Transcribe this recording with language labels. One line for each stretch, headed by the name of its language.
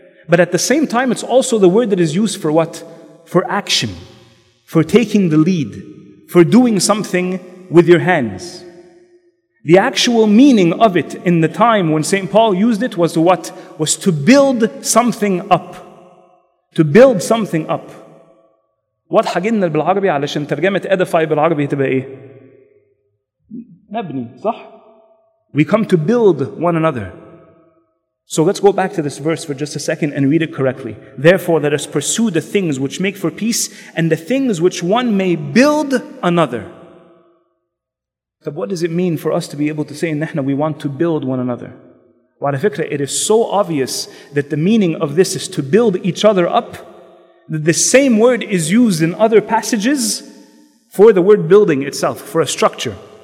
English: But at the same time, it's also the word that is used for what? For action. For taking the lead. For doing something with your hands. The actual meaning of it in the time when St. Paul used it was what? Was to build something up. To build something up.
Arabic: What حجنا بالعربي علشان ترجمة edify بالعربي تبقى إيه؟ نبني, صح؟
English: We come to build one another. So let's go back to this verse for just a second and read it correctly. Therefore, let us pursue the things which make for peace and the things which one may build another. So what does it mean for us to be able to say نحن, we want to build one another?
Arabic: وعلى فكرة,
English: it is so obvious that the meaning of this is to build each other up, that the same word is used in other passages for the word building itself, for a structure.